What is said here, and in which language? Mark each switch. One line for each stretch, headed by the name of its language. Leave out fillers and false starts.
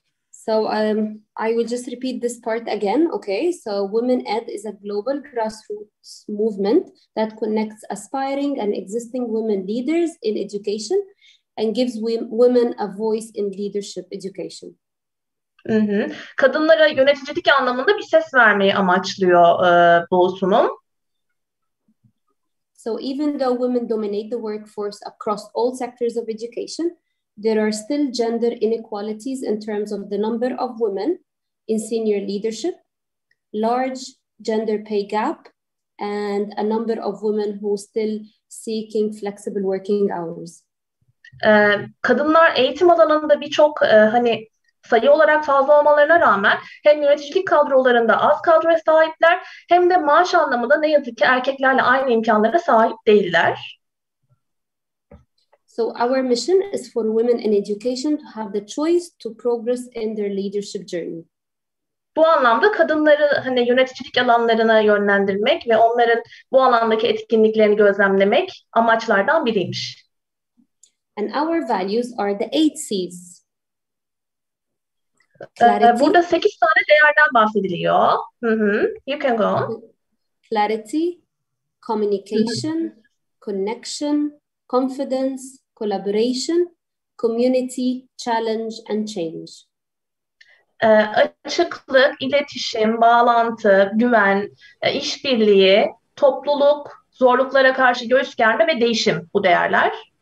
English: So I will just repeat this part again. Okay. So Women Ed is a global grassroots movement that connects aspiring and existing women leaders in education and gives women a voice in leadership education. Mm-hmm.
Turkish: Kadınlara yöneticilik anlamında bir ses vermeyi amaçlıyor bu sunum.
English: So even though women dominate the workforce across all sectors of education, there are still gender inequalities in terms of the number of women in senior leadership, large gender pay gap, and a number of women who are still seeking flexible working hours.
Turkish: Kadınlar eğitim alanında birçok hani sayı olarak fazla olmalarına rağmen hem yöneticilik kadrolarında az kadroya sahipler hem de maaş anlamında ne yazık ki erkeklerle aynı imkanlara sahip değiller.
English: So our mission is for women in education to have the choice to progress in their leadership journey.
Turkish: Bu anlamda kadınları hani yöneticilik alanlarına yönlendirmek ve onların bu alandaki etkinliklerini gözlemlemek amaçlardan biriymiş.
English: And our values are the 8 C's.
Turkish: Burada 8 tane değerden bahsediliyor. Mm-hmm.
English: You can go on. Clarity, communication, connection, confidence, collaboration, community, challenge and change.
Turkish: Açıklık, iletişim, bağlantı, güven, işbirliği, topluluk, zorluklara karşı göğüs germe ve değişim bu değerler.